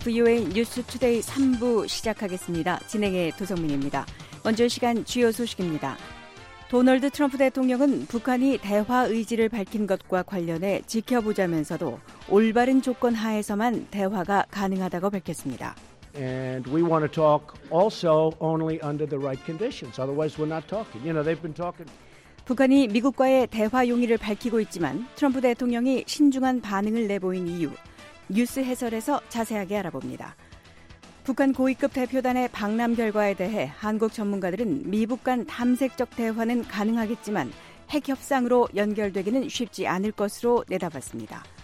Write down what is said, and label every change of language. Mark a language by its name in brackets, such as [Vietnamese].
[Korean] VOA 뉴스 투데이 3부 시작하겠습니다. 진행의 도성민입니다. 먼저 시간 주요 소식입니다. 도널드 트럼프 대통령은 북한이 대화 의지를 밝힌 것과 관련해 지켜보자면서도 올바른 조건 하에서만 대화가 가능하다고 밝혔습니다. [English] And we want to talk also only under the right conditions. Otherwise, we're not talking. You know, they've been talking. [Korean] 북한이 미국과의 대화 용의를 밝히고 있지만 트럼프 대통령이 신중한 반응을 내보인 이유, 뉴스 해설에서 자세하게 알아봅니다. 북한 고위급 대표단의 방남 결과에 대해 한국 전문가들은 미북 간 탐색적 대화는 가능하겠지만 핵 협상으로 연결되기는 쉽지 않을 것으로 내다봤습니다.